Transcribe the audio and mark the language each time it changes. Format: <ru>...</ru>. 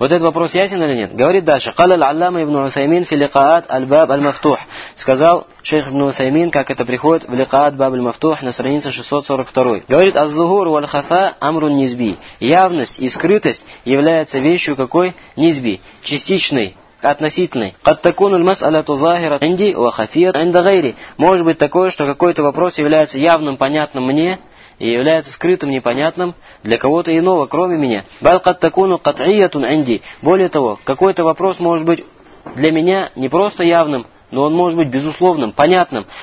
<ru>Вот этот вопрос ясен или нет? Говорит дальше.</ru> <ar>«Кал аль-Аллама ибн Усаймин фи ликаат аль-баб аль-мафтух».</ar> <ru>Сказал шейх ибн Усаймин, как это приходит в ликаат баб аль-мафтух на странице 642. Говорит</ru> <ar>«Аз-зухур валь-хафа амрун низби».</ar> <ru>Явность и скрытость является вещью какой? Низби. Частичной. Относительный.</ru> <ar>قد تكون المسألة ظاهرة عندي وخفية عند غيري.</ar> <ru>Может быть такое, что какой-то вопрос является явным, понятным мне и является скрытым, непонятным для кого-то иного, кроме меня.</ru> <ar>بل قد تكون قطعية عندي.</ar> <ru>Более того, какой-то вопрос может быть для меня не просто явным, но он может быть безусловным, понятным.</ru>